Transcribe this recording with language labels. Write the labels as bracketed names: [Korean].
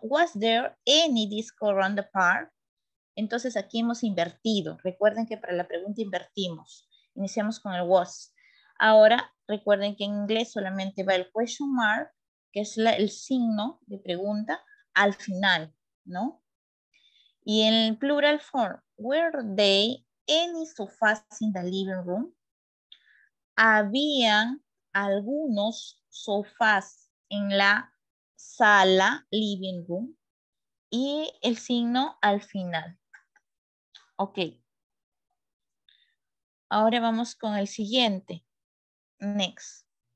[English] Was there any disco around the park? [Spanish] Entonces aquí hemos invertido. Recuerden que para la pregunta invertimos. Iniciamos con el was. Ahora recuerden que en inglés solamente va el question mark, que es el signo de pregunta, al final, ¿no? Y en el [English] plural form, were they any sofas in the living room? [Spanish] ¿Habían algunos sofás en la sala, living room? Y el signo al final. Ok, ahora vamos con el siguiente, next.